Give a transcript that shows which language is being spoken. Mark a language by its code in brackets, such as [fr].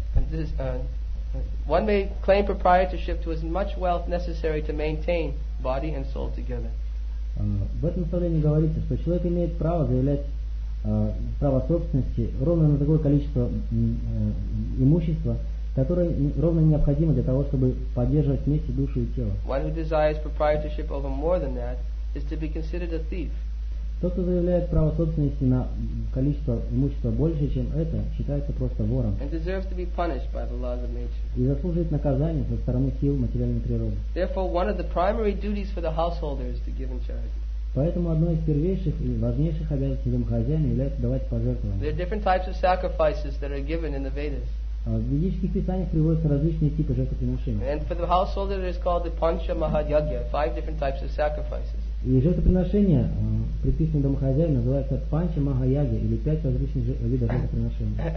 [en] That one may claim proprietorship to as much wealth necessary to maintain body and soul together. [ru] В этом наставлении говорится, что человек имеет право заявлять право собственности ровно на такое количество имущества, которое ровно необходимо для того, чтобы поддерживать вместе душу и тело. [en] One who desires proprietorship over more than that is to be considered a thief. [ru] Тот, кто заявляет право собственности на количество имущества больше, чем это, считается просто вором. [en] And deserves to be punished by the laws of nature. [ru] И заслуживает наказание со стороны сил материальной природы. [en] Therefore, one of the primary duties for the householder is to give in charity. [ru] Поэтому одной из первейших и важнейших обязанностей домохозяина является давать пожертвования. [en] There are different types of sacrifices that are given in the Vedas. [ru] В ведических писаниях приводятся различные типы жертвоприношений. [en] And for the householder, it is called the Pancha Mahayagya, five different types of sacrifices. [ru] И жертвоприношение, предписанное домохозяину, называется панча махаяги или пять различных видов жертвоприношения.